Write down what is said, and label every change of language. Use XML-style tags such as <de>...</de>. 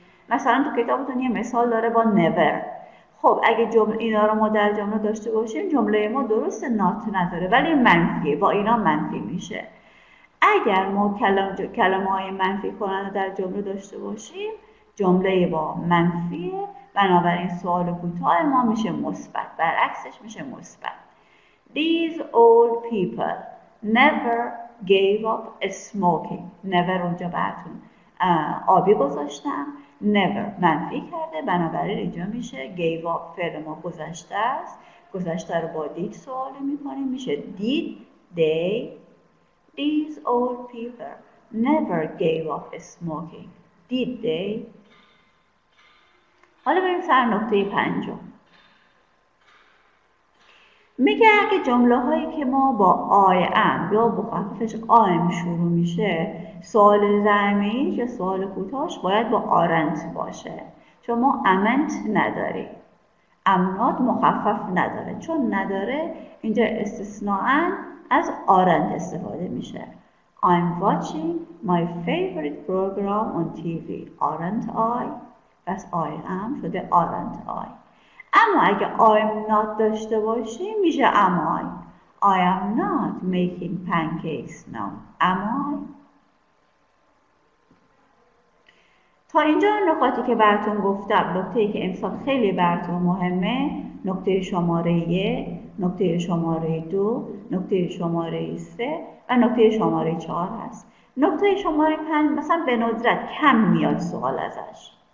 <fa>مثلا تو کتابتون یه مثال داره با never. خب اگه اینا رو ما در جمله داشته باشیم جمله ما درست not نداره ولی منفیه، با اینا منفی میشه. اگر ما کلمه های منفی کننده در جمله داشته باشیم جمله با منفیه، بنابراین سوال کوتاه ما میشه مثبت، برعکسش میشه مثبت.</fa> <en>These old people never gave up smoking.</en> <fa>never اونجا براتون آبی گذاشتم، never منفی کرده، بنابراین اینجا میشه gave up فعل ما گذشته است، گذشته رو با did سوالی میکنیم میشه</fa> <en>did they. these old people never gave up smoking. did they.</en> <fa>حالا بریم سر نقطه پنجم. میگه اگه جمله هایی که ما با I am یا بخففش I am شروع میشه، سوال ضمیر یا سوال کوتاهش باید با aren't باشه، چون ما amn't نداریم، amnot مخفف نداره، چون نداره اینجا استثناءً از aren't استفاده میشه.</fa> <en>I'm watching my favorite program on TV. aren't I.</en> <fa>پس I am شده</fa> <en>aren't I.</en> <fa>اما اگه I'm not داشته باشیم میشه</fa> <en>am I. I am not making pancakes now. am I.</en> <fa>تا اینجا نکاتی که براتون گفتم، نکته‌ای که امسال خیلی براتون مهمه، نکته شماره 1، نکته شماره 2، نکته شماره 3 و نکته شماره 4 هست. نکته شماره 5 مثلا به ندرت کم میاد سوال ازش.</fa>